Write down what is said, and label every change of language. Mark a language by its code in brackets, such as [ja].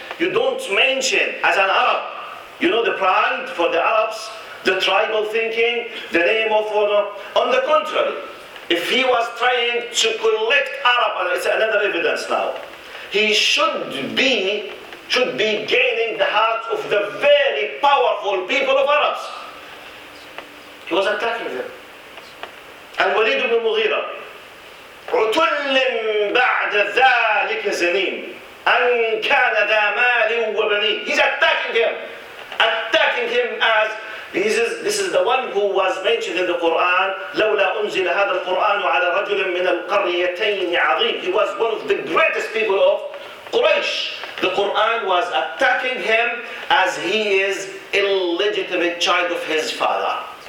[en] You don't mention, as an Arab, you know the pride for the Arabs, the tribal thinking, the name of honor. On the contrary, if he was trying to collect Arab, it's another evidence now, he should be gaining the heart of the very powerful people of Arabs. He was attacking them. [ar] And Walid ibn Mughira, عُتُلٍ بَعْدَ ذَلِكَ زَنِينَ أَنْ كَانَ ذَا مَالٍ وَبَنِينَ. [en] He's attacking him as this is the one who was mentioned in the Quran. [ar] لَوْلَا أُنْزِلَ هَذَا الْقُرْآنُ عَلَى رَجُلٍ مِنَ الْقَرْيَتَيْنِ عَظِيمٍ. [en] He was one of the greatest people of Quraysh. The Quran was attacking him as he is illegitimate child of his father.